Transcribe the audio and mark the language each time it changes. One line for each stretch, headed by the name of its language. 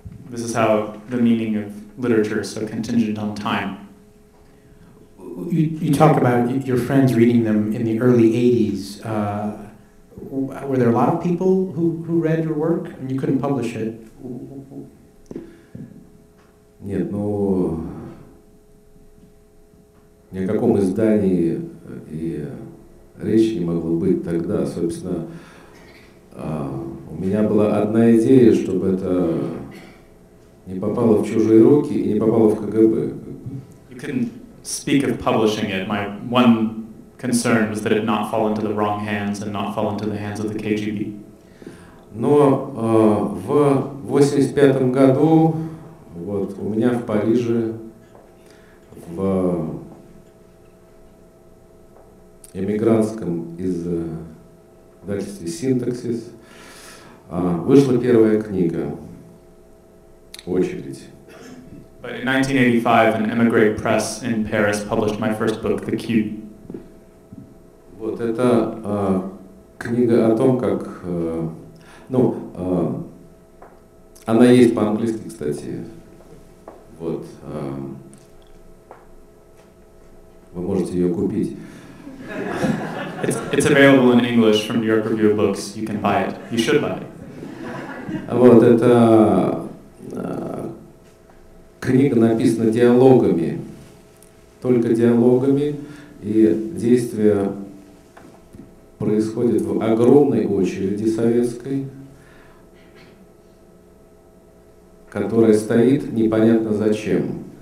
English: This is how the meaning of literature is so contingent on time. You talk about your friends reading them in the early 80s. Were there a lot of people who read your work? I mean, you couldn't publish it.
Russian: Нет, ну, ни о каком издании и речи не могло быть тогда. Собственно, у меня была одна идея, чтобы это не попало в чужие руки и не попало в КГБ.
English: Speak of publishing it, my one concern was that it not fall into the wrong hands and not fall into the hands of the KGB.
Russian: Но в 85-м году вот у меня в Париже в эмигрантском издательстве Синтаксис вышла первая книга «Очередь».
English: But in 1985, an emigre press in Paris published my first book, The Cube.
Russian: Вот это книга о том, как, ну, она есть по-английски, кстати. Вот, вы можете ее купить.
English: It's available in English from New York Review of Books. You can buy it. You should buy it.
Russian: Вот это книга написана диалогами, только диалогами, и действие происходит в огромной очереди советской, которая стоит непонятно зачем.